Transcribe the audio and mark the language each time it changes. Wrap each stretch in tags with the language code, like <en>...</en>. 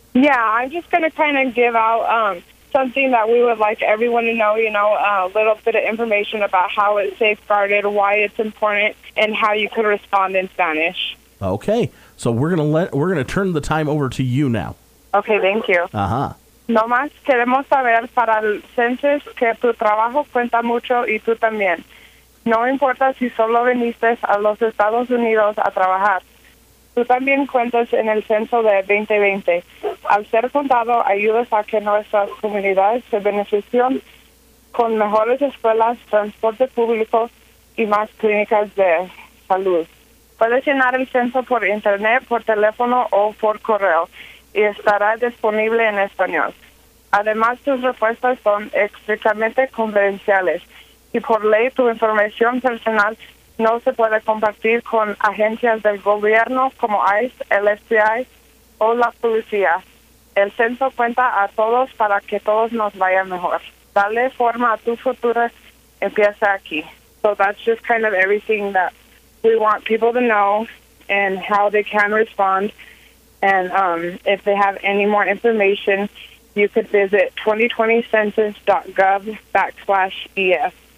<en>Yeah, I'm just going to kind of give out something that we would like everyone to know, you know, a little bit of information about how it's safeguarded, why it's important, and how you could respond in Spanish. Okay, so we're going to turn the time over to you now. Okay, thank you. Uh-huh.</en> <es>No más queremos saber para el census que tu trabajo cuenta mucho y tú también. No importa si solo viniste a los Estados Unidos a trabajar. Tú también cuentas en el censo de 2020. Al ser contado, ayudas a que nuestras comunidades se beneficien con mejores escuelas, transporte público y más clínicas de salud. Puedes llenar el censo por internet, por teléfono o por correo y estará disponible en español. Además, tus respuestas son estrictamente confidenciales. Y por ley, tu información personal no se puede compartir con agencias del gobierno como ICE, el FBI o la policía. El censo cuenta a todos para que todos nos vaya mejor. Dale forma a tu futuro, empieza aquí.</es> <en>So that's just kind of everything that we want people to know and how they can respond. And if they have any more information, you could visit 2020census.gov/ES.</en>